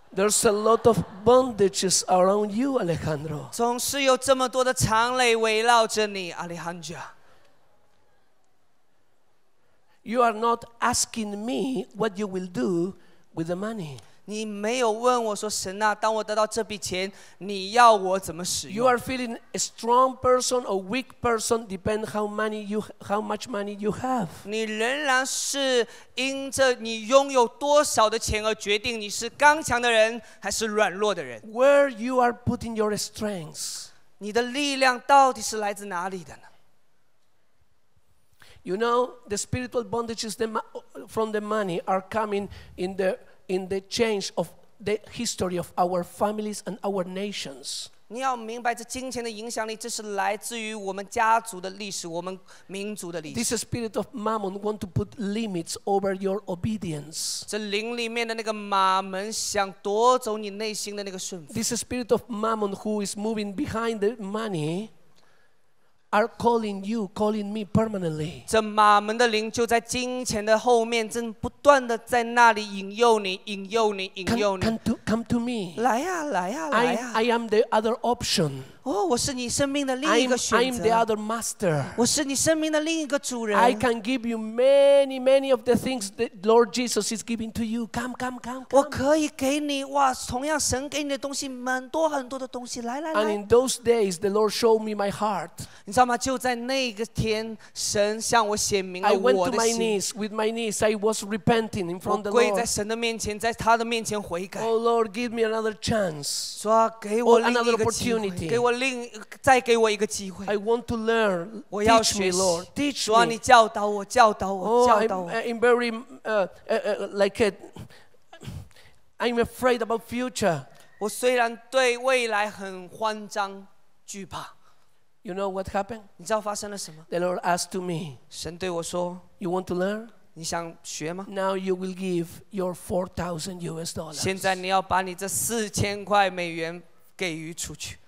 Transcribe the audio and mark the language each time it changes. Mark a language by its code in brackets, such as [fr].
[en] There's a lot of bondages around you, Alejandro. [zh] 总是有这么多的长累围绕着你 ，Alejandro. [en] You are not asking me what you will do with the money. [zh] 你没有问我说，神啊，当我得到这笔钱，你要我怎么使用 [en] ？You are feeling a strong person or weak person depend how much money you have. [zh] 你仍然是因着你拥有多少的钱而决定你是刚强的人还是软弱的人。 [en] Where you are putting your strengths? [zh] 你的力量到底是来自哪里的呢？ [en] You know, the spiritual bondages from the money are coming in the change of the history of our families and our nations. [zh] 你要明白这金钱的影响力，这是来自于我们家族的历史，我们民族的历史。 [en] This spirit of mammon want to put limits over your obedience. [zh] 这灵里面的那个马门想夺走你内心的那个顺服。 [en] This spirit of mammon who is moving behind the money. Are calling you, calling me permanently. [zh] 这马门的灵就在金钱的后面，正不断的在那里引诱你，引诱你，引诱你。 [en] Come to me. [zh] 来呀，来呀，来呀。 [en] I am the other option. [zh] 哦，我是你生命的另一个选择。 [en] I am the other master. [zh] 我是你生命的另一个主人。 [en] I can give you many, many of the things that Lord Jesus is giving to you. Come. [zh] 我可以给你哇，同样神给你的东西，很多很多的东西。来来来。 [en] And in those days, the Lord showed me my heart. [zh] 你知道吗？就在那个天，神向我显明了我的心。 [en] I went to my knees with my knees. I was repenting in front of the Lord. [zh] 我跪在神的面前，在他的面前悔改。 [en] Oh Lord, give me another chance. [zh] 说、啊、给我另一个机会。 [en] Opportunity. [zh] 给我另再给我一个机会。 [en] I want to learn. [zh] 我要学习。 [en] Teach me, Lord. Teach me. [zh] 说、啊、你教导我，教导我， oh, 教导我。 [en] I'm very like a, I'm afraid about future. [zh] 我虽然对未来很慌张、惧怕。 [en] You know what happened? [zh] 你知道发生了什么？ [en] The Lord asked to me. [zh] 神对我说， [en] You want to learn? [zh] 你想学吗？ [en] Now you will give your $4,000. [zh] 现在你要把你这$4,000给予出去。